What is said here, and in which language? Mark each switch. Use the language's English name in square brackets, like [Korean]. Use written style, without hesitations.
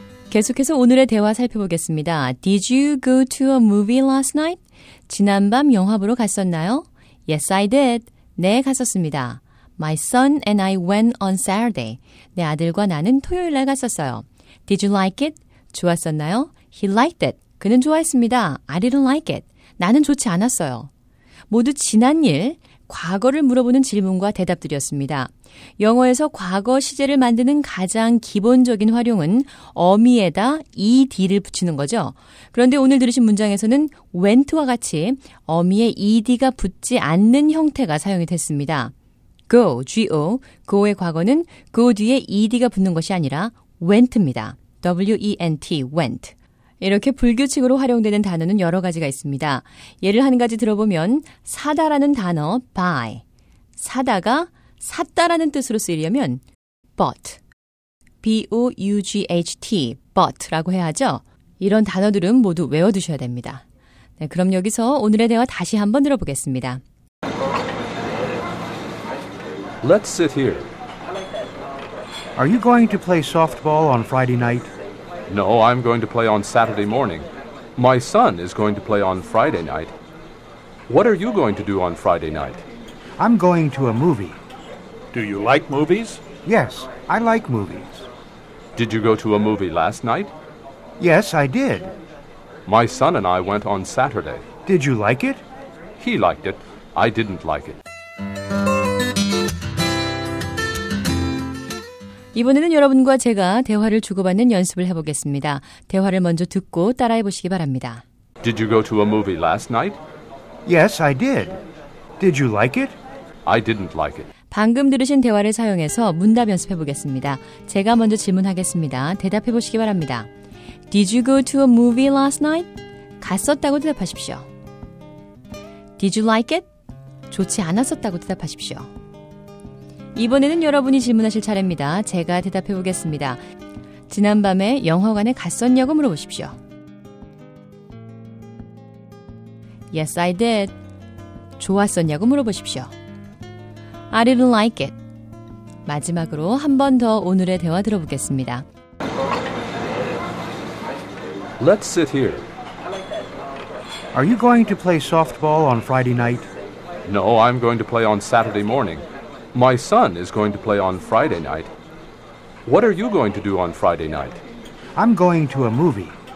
[Korean] 계속해서 오늘의 대화 살펴보겠습니다. [English] Did you go to a movie last night? [Korean] 지난밤 영화 보러 갔었나요? [English] Yes, I did. [Korean] 네, 갔었습니다. [English] My son and I went on Saturday. [Korean] 내 아들과 나는 토요일 날 갔었어요. [English] Did you like it? [Korean] 좋았었나요? [English] He liked it. [Korean] 그는 좋아했습니다. [English] I didn't like it. [Korean] 나는 좋지 않았어요. 모두 지난 일, 과거를 물어보는 질문과 대답들이었습니다. 영어에서 과거 시제를 만드는 가장 기본적인 활용은 어미에다 ed를 붙이는 거죠. 그런데 오늘 들으신 문장에서는 went와 같이 어미에 ed가 붙지 않는 형태가 사용이 됐습니다. go, go, go의 과거는 go 뒤에 ed가 붙는 것이 아니라 went입니다. [English] w-e-n-t, went. [Korean] 이렇게 불규칙으로 활용되는 단어는 여러 가지가 있습니다. 예를 한 가지 들어보면 사다라는 단어 buy, 사다가 샀다라는 뜻으로 쓰이려면 bought, b-o-u-g-h-t, bought라고 해야 하죠. 이런 단어들은 모두 외워두셔야 됩니다. 네, 그럼 여기서 오늘의 대화 다시 한번 들어보겠습니다. [English] Let's sit here. Are you going to play softball on Friday night? No, I'm going to play on Saturday morning. My son is going to play on Friday night. What are you going to do on Friday night? I'm going to a movie. Do you like movies? Yes, I like movies. Did you go to a movie last night? Yes, I did. My son and I went on Saturday. Did you like it? He liked it. I didn't like it. [Korean] 이번에는 여러분과 제가 대화를 주고받는 연습을 해보겠습니다. 대화를 먼저 듣고 따라해보시기 바랍니다. [English] Did you go to a movie last night? Yes, I did. Did you like it? I didn't like it. [Korean] 방금 들으신 대화를 사용해서 문답 연습해보겠습니다. 제가 먼저 질문하겠습니다. 대답해보시기 바랍니다. [English] Did you go to a movie last night? [Korean] 갔었다고 대답하십시오. [English] Did you like it? [Korean] 좋지 않았었다고 대답하십시오. 이번에는 여러분이 질문하실 차례입니다. 제가 대답해 보겠습니다. 지난밤에 영화관에 갔었냐고 물어보십시오. [English] Yes, I did. [Korean] 좋았었냐고 물어보십시오. [English] I didn't like it. [Korean] 마지막으로 한 번 더 오늘의 대화 들어보겠습니다. [English] Let's sit here. Are you going to play softball on Friday night? No, I'm going to play on Saturday morning. My son is going to play on Friday night. What are you going to do on Friday night? I'm going to a movie.